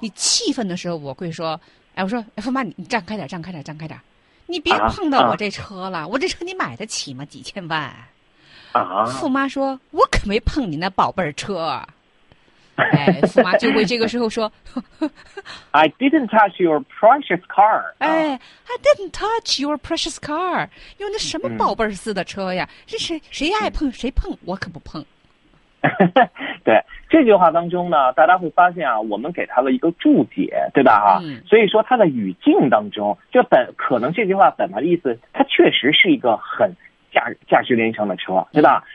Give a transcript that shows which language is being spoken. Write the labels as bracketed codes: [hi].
[zh] 你气愤的时候，我会说，哎，我说，哎，富妈，你站开点，站开点，站开点。你别碰到我这车了、啊啊、我这车你买得起吗？几千万啊！富妈说，我可没碰你那宝贝儿车。哎，富妈就会这个时候说 [en] I didn't touch your precious car、 [zh] 啊、哎 I didn't touch your precious car，用那什么宝贝儿似的车呀，这谁爱碰谁碰，我可不碰。对这句话当中呢，大家会发现啊，我们给他了一个注解，对吧哈、所以说他的语境当中，就本可能这句话本来的意思，它确实是一个很价值连城的车，对吧？